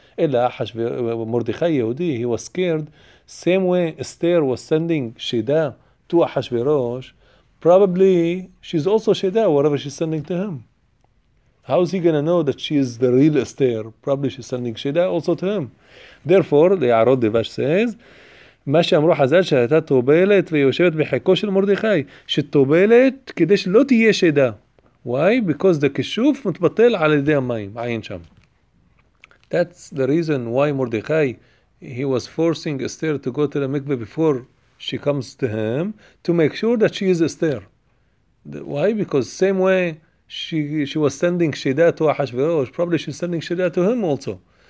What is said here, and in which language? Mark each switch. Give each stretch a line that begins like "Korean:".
English: אלא מרדכי יהודי, he was scared, same way Esther was sending שידה to אחשוורוש, probably she's also Sheda, whatever she's sending to him. How is he going to know that she is the real Esther? Probably she's sending Sheda also to him. Therefore, the Ya'arot Devash says,
Hebrew: מה שאמרו חז"ל שהייתה טובלת ויושבת בחיקו של מרדכי, שטובלת כדי שלא תהיה שדה.
English: Why? Because
Hebrew: the כישוף מתבטל על ידי המים, עין שם.
English: That's the reason why מרדכי, he was forcing Esther to go to the mikveh before she comes to him to make sure that she is Esther. Why? Because same way she was sending Sheda to Ahasuerus, probably she's sending Sheda to him also.